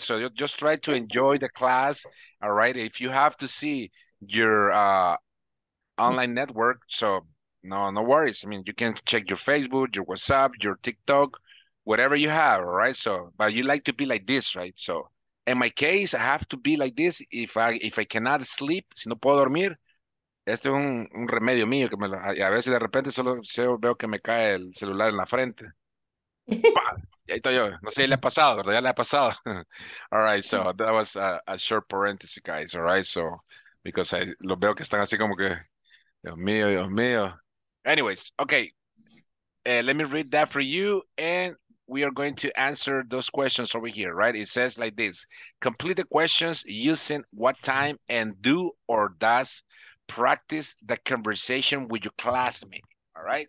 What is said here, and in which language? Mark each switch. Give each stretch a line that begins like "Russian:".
English: So, you just try to enjoy the class, all right? If you have to see your online network, so no worries. I mean, you can check your Facebook, your WhatsApp, your TikTok, whatever you have, all right? So, but you like to be like this, right? So, in my case, I have to be like this. If I cannot sleep,
Spanish: si no puedo dormir, este es un remedio mío. Que me lo, a veces de repente solo veo que me cae el celular en la frente. Y ahí estoy yo. No sé si le ha pasado, ¿verdad? Ya le ha pasado.
English: All right, so that was a short parenthesis, guys. All right, so because I
Spanish: lo veo que están así como que, Dios mío.
English: Anyways, okay. Let me read that for you and we are going to answer those questions over here, right? It says like this, complete the questions using what time and do or does practice the conversation with your classmate, all right?